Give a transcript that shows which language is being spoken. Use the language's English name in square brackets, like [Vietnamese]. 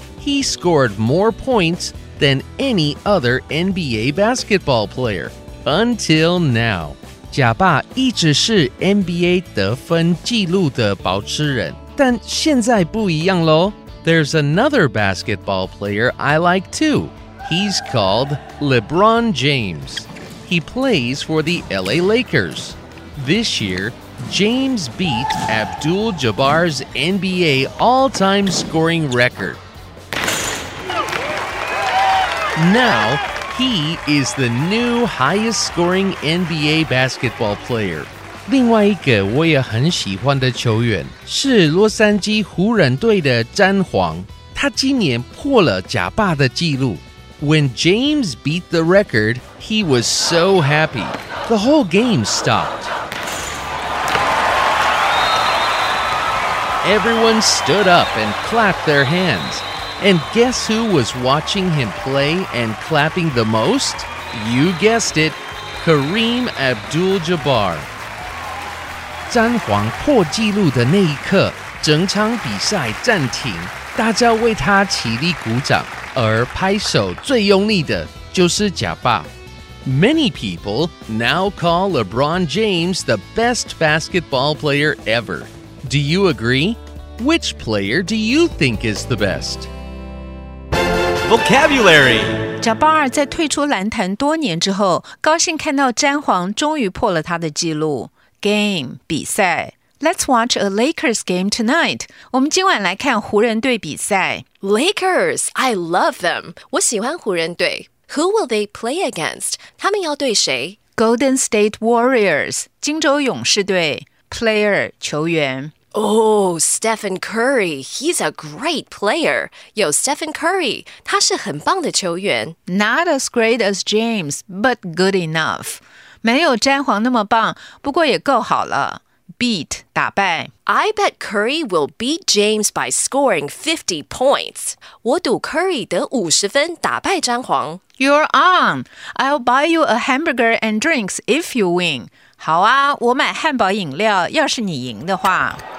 [English] He scored more points than any other NBA basketball player. Until now. [Chinese] 賈霸一直是 NBA 得分紀錄的保持人。但現在不一樣囉。 [English] There's another basketball player I like too. He's called LeBron James. He plays for the LA Lakers. This year, James beat Abdul-Jabbar's NBA all-time scoring record. Now, he is the new highest scoring NBA basketball player. [Chinese] 另外一个我也很喜欢的球员是洛杉矶湖人队的詹皇。他今年破了賈霸的纪录。 [English] When James beat the record, he was so happy. The whole game stopped. Everyone stood up and clapped their hands. And guess who was watching him play and clapping the most? You guessed it, Kareem Abdul-Jabbar. [Chinese] 詹皇破纪录的那一刻，整场比赛暂停，大家为他起立鼓掌，而拍手最用力的就是賈霸。 [English] Many people now call LeBron James the best basketball player ever. Do you agree? Which player do you think is the best? Vocabulary. [Chinese] 賈霸在退出篮坛多年之后，高兴看到詹皇终于破了他的纪录。 [English] Game, 比赛。Let's watch a Lakers game tonight. [Chinese] 我们今晚来看湖人队比赛。 [English] Lakers, I love them. [Chinese] 我喜欢湖人队。 [English] Who will they play against? [Chinese] 他们要对谁？ Golden State Warriors, 金州勇士队。 [English] Player, 球员。 Oh, Stephen Curry, he's a great player. [Chinese] 有 Stephen Curry, 他是很棒的球员。 [English] Not as great as James, but good enough. [Chinese] 没有詹皇那么棒，不过也够好了。 [English] Beat, 打败。 I bet Curry will beat James by scoring 50 points. [Chinese] 我赌 Curry 得50分打败詹皇。 [English] You're on. I'll buy you a hamburger and drinks if you win. [Chinese] 好啊，我买汉堡饮料，要是你赢的话。